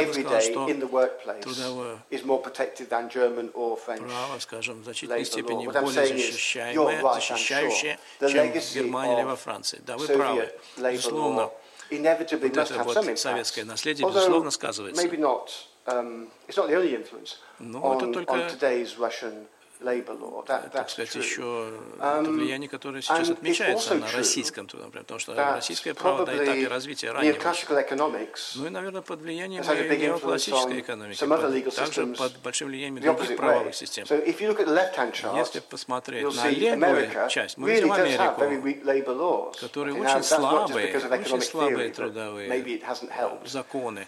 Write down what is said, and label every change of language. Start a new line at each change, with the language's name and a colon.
Russian: Я бы сказал, что трудовое право, скажем, в значительной степени более защищающее, чем в Германии или во Франции. Да, вы правы. Безусловно, вот это вот советское наследие, безусловно, сказывается.
English: Maybe not. It's not the only influence on today's Russian labor law.
Russian: Так сказать, еще влияние, которое сейчас отмечается на российском труде, потому что российское право на этапе развития раннего. Ну и, наверное, под влиянием неоклассической экономики, также под большим влиянием других правовых систем. Если посмотреть на левую часть, мы видим Америку, которая очень слабые трудовые законы.